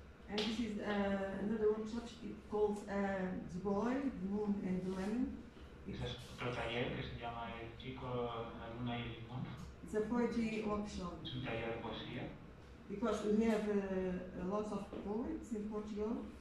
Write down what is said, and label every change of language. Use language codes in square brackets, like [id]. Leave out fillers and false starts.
[en] And this is another workshop called The Boy, the Moon and the Lemon. [es] Este es otro taller que se llama El Chico, la Luna y el Limón. [en] It's a poetry workshop. [es] Es un taller de poesía. [en] Because we have lots of poets in Portugal.